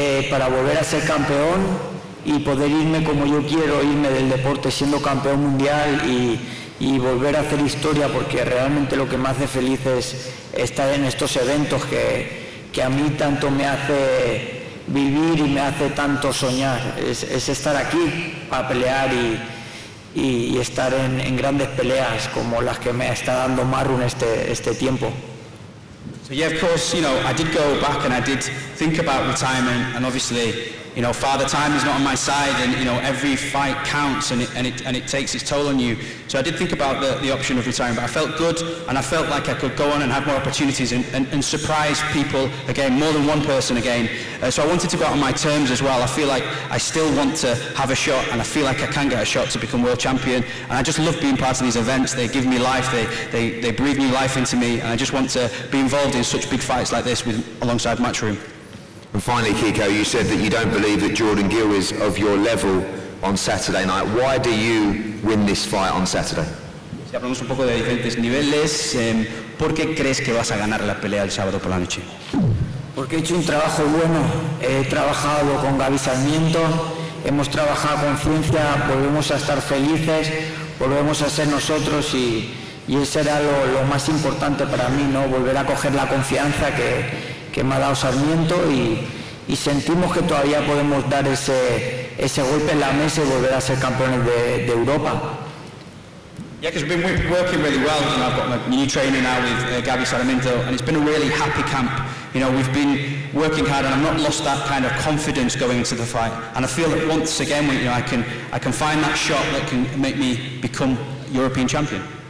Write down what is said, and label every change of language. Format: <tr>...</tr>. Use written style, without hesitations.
<es>para volver a ser campeón y poder irme como yo quiero, irme del deporte siendo campeón mundial y volver a hacer historia, porque realmente lo que me hace feliz es estar en estos eventos que a mí tanto me hace vivir y me hace tanto soñar, es estar aquí para pelear y estar en grandes peleas como las que me está dando Marun este tiempo.</es> <en>So yeah, of course, you know, I did go back and I did think about retirement, and obviously, you know, father time is not on my side, and you know, every fight counts and it takes its toll on you. So I did think about the option of retiring, but I felt good and I felt like I could go on and have more opportunities and surprise people again, more than one person again. So I wanted to go out on my terms as well. I feel like I still want to have a shot, and I feel like I can get a shot to become world champion. And I just love being part of these events. They give me life, they breathe new life into me, and I just want to be involved in such big fights like this alongside Matchroom. And finally, Kiko, you said that you don't believe that Jordan Gill is of your level on Saturday night. Why do you win this fight on Saturday?</en> <es>Si hablamos un poco de diferentes niveles, ¿por qué crees que vas a ganar la pelea el sábado por la noche? Porque he hecho un trabajo bueno. He trabajado con Gaby Sarmiento, hemos trabajado con ciencia, volvemos a estar felices, volvemos a ser nosotros y eso era lo más importante para mí, ¿no? Volver a coger la confianza que me ha dado Sarmiento y sentimos que todavía podemos dar ese golpe en la mesa y volver a ser campeones de Europa.</es> <en>Yeah, because we've been working really well, and I've got my new trainer now with Gaby Sarmiento, and it's been a really happy camp. You know, we've been working hard, and I've not lost that kind of confidence going into the fight. And I feel that once again, you know, I can find that shot that can make me become European champion.</en>